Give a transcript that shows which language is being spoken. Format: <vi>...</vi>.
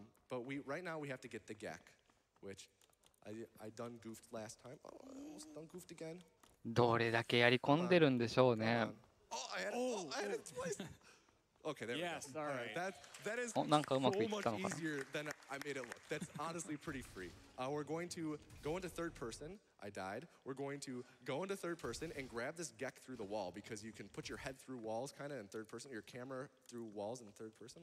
<en>But right now we have to get the Gek, which I done goofed last time. Oh, I almost done goofed again.</en> <ja>どれだけやり込んでるんでしょうね。</ja> <en>I had it twice. Okay, there yes, Yes, all right. That is so much easier than I made it look. That's honestly pretty free. We're going to go into third person. I died. We're going to go into third person and grab this Gek through the wall because you can put your head through walls kind of in third person, your camera through walls in third person.</en>